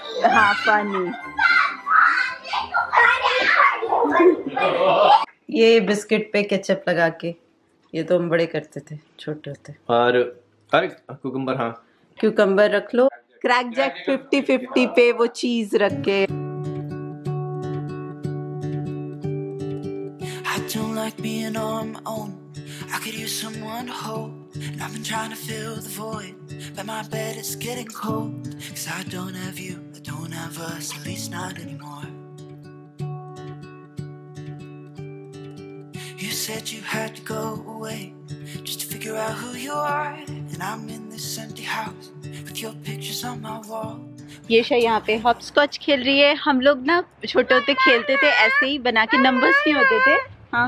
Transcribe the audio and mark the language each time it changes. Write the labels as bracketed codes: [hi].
[hi] हाँ पानी ये बिस्किट पे केचप लगा के, ये तो हम बड़े करते थे छोटे होते। और अरे क्यूकम्बर, हाँ क्यूकम्बर रख लो, क्रैक जैक 50-50 पे वो चीज रख के। [en] I don't like being on my own, I could use someone to hold, and I've been trying to fill the void, but my bed is getting cold, cause I don't have you, I don't have us, at least not anymore. You said you had to go away just to figure out who you are, and I'm in this empty house with your pictures on my wall, [hi] यशा यहाँ पे hopscotch खेल रही है। हम लोग ना छोटे होते खेलते थे ऐसे ही बना के, नंबर्स नहीं होते थे।